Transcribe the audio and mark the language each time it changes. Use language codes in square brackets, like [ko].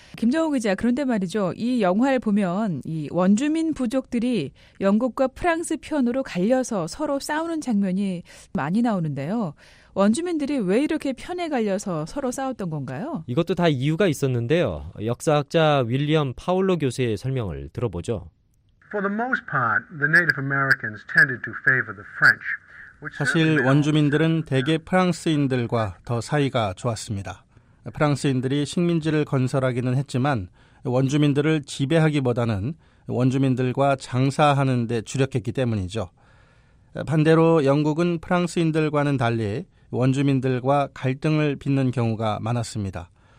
[ko] 김정우 기자, 그런데 말이죠. 이 영화를 보면 이 원주민 부족들이 영국과 프랑스 편으로 갈려서 서로 싸우는 장면이 많이 나오는데요. 원주민들이 왜 이렇게 편에 갈려서 서로 싸웠던 건가요? 이것도 다 이유가 있었는데요. 역사학자 윌리엄 파울로 교수의 설명을 들어보죠. [en] For the most part, the Native Americans tended to favor the French. [ko] 사실 원주민들은 대개 프랑스인들과 더 사이가 좋았습니다. 프랑스인들이 식민지를 건설하기는 했지만 원주민들을 지배하기보다는 원주민들과 장사하는 데 주력했기 때문이죠. 반대로 영국은 프랑스인들과는 달리 원주민들과 갈등을 빚는 경우가 많았습니다.